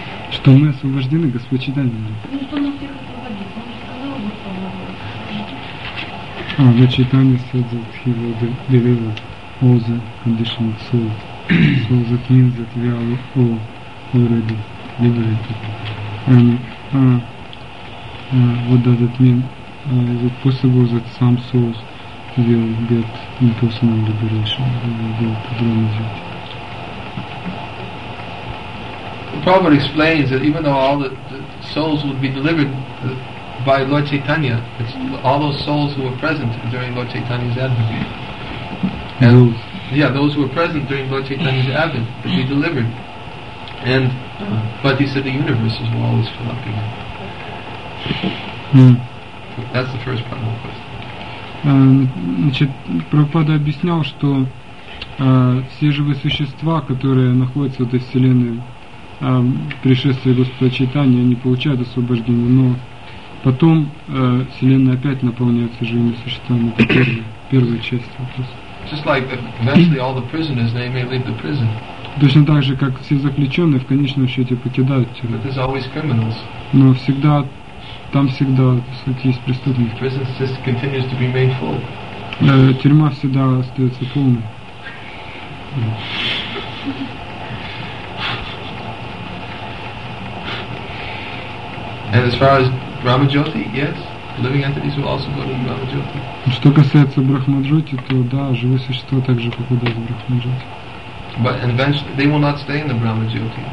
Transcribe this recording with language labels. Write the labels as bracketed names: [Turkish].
[Russian] Что мы освобождены, Господь Читания. Ну что нас всех освободит? Он же сказал, Господь освободит. [English] А, Господь Читания said that he will deliver all the conditioned souls. So that means that we are all already liberated. And what does it mean? Is it possible that some souls will get impersonal liberation? Prabhupada explains that even though all the souls would be delivered by Lord Chaitanya, it's all those souls who were present during Lord Chaitanya's advent. And, yeah, those who were present during Lord Chaitanya's advent would be delivered. And but he said the universe is always fill up again. That's the first part of the question. [Russian] Значит, Прабхупада объяснял, что все живые существа, которые находятся в этой вселенной, пришествие Господа Чайтаньи, они получают освобождение, но потом вселенная опять наполняется живыми существами. Это первая часть вопроса. [English] Just like eventually all the prisoners, they may leave the prison. [Russian] Точно так же, как все заключенные в конечном счете покидают тюрьму. [English] But there's always criminals. [Russian] Но всегда там всегда, по сути, есть преступники. [English] The prison just continues to remain full. [Russian] Тюрьма всегда остается полной. [English] And as far as Brahmajyoti, yes, living entities will also go to Brahmajyoti. [Russian] Что касается Брахмаджоти, то да, живые существа также попадают в Брахмаджоти. [English] But eventually they will not stay in the Brahmajyoti.